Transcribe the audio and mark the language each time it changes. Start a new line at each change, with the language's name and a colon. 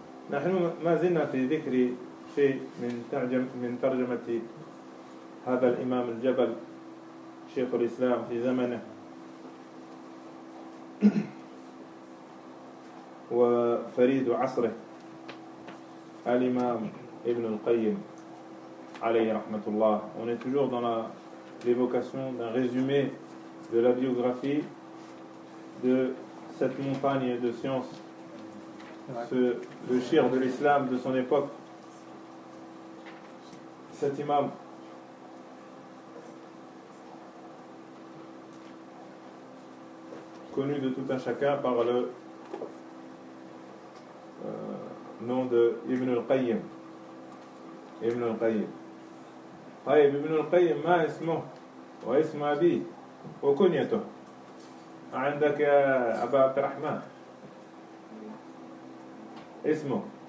Arabic: نحن ما زلنا في ذكر شيء من ترجمة هذا الإمام الجبل شيخ الإسلام في زمنه، وفريد عصره الإمام ابن القيم عليه رحمة الله.
French: On est toujours dans la l'évocation d'un résumé de la biographie de cette montagne de science, le shir de l'islam de son époque, cet imam. Connu de tout un chacun par le nom de Ibn al-Qayyim. Ibn al-Qayyim.
Arabic: طيب Ibn al-Qayyim ما اسمه واسم أبيه وكنيته. عندك يا أبا عبد الرحمن اسمه.